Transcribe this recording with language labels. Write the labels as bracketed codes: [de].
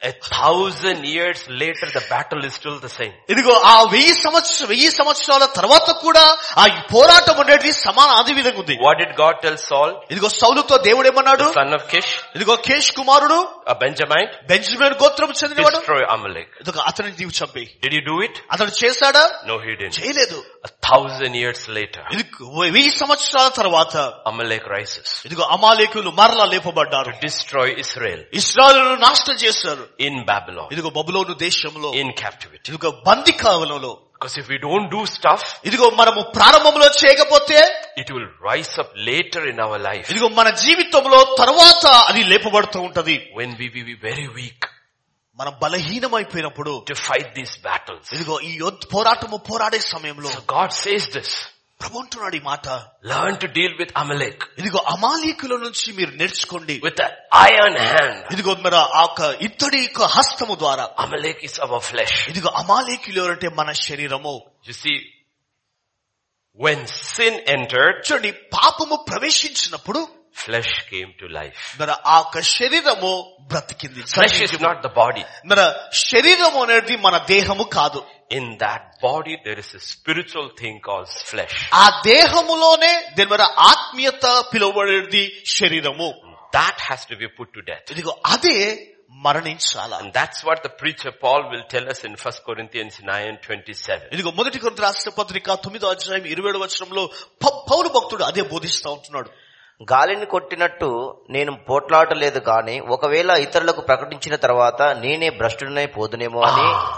[en] 1,000 years later the battle is still the same. [te] ఇదిగో ఆ 1,000 సంవత్సరాల తర్వాత కూడా ఆ పోరాటం అనేది సమాన అదే విధంగా ఉంది. [en] What did God tell Saul? [te] ఇదిగో సౌలుతో దేవుడు ఏమన్నాడు? [en] Son of Kish. [te] ఇదిగో కేష్ కుమారుడు. బెంజమైన్. బెంజమైన్ గోత్రం చెందినవాడు. [en] Destroy Amalek. [te] ఇదిగో అతని దీవు చంపి. [en] Did he do it? [te] అతను చేశాడా? [en] No, he didn't. [te] చేయలేదు. [en] 1,000 years later. [te] ఇదిగో 1,000 సంవత్సరాల తర్వాత [en] Amalek rises. [te] ఇదిగో అమాలేకులు మరలా లేపబడ్డారు. [en] Destroy Israel. [te] ఇశ్రాయేలును నాశనం చేశారు. [en] In Babylon. [te] ఇదిగో బబులోను దేశంలో. [en] In captivity. [te] ఇదిగో బందికావలంలో. [en] Because if we don't do stuff, [te] ఇదిగో మనము ప్రారంభంలో చేయకపోతే [en] it will rise up later in our life. [te] ఇదిగో మన జీవితంలో తర్వాత అది లేపబడుతూ ఉంటది. [en] When we be very weak. [te] మనం బలహీనమైపోయినప్పుడు [en] to fight these battles. [te] ఇదిగో ఈ పోరాటము పోరాడే సమయంలో. [en] So God says this. [te] ప్రభు అంటున్నాడు ఈ మాట. [en] Learn to deal with Amalek. [te] ఇదిగో అమాలేకుల నుంచి మీరు నేర్చుకోండి. [en] With iron hand. [te] ఇదిగో మరి ఆ ఇత్తడి హస్తము ద్వారా. [en] Amalek is our flesh. [te] ఇదిగో అమాలేకులు అంటే మన శరీరము. [en] You see when sin entered. [te] చూడండి పాపము ప్రవేశించినప్పుడు [en] flesh came to life. [te] మరి ఆ శరీరము బ్రతికింది. [en] Flesh is not the body. [te] మరి శరీరము అనేది మన దేహము కాదు. [en] In that body there is a spiritual thing called flesh. [te] ఆ దేహములోనే దేవుని ఆత్మీయత పిలువబడేది శరీరము. [en] That has to be put to death. [te] ఇదిగో అదే మరణించాలి. [en] And that's what the preacher Paul will tell us in 1 Corinthians 9:27. [te] ఇదిగో మొదటి కొరింథీయుల రాష్ట్ర పత్రిక 9వ అధ్యాయం 27వ వచనంలో పౌలు భక్తుడు అదే బోధిస్తా ఉంటున్నాడు. గాలిని కొట్టినట్టు నేను పోట్లాడలేదు గాని ఒకవేళ ఇతరులకు ప్రకటించిన తర్వాత నేనే భ్రష్టుడినై పోదునేమో అని.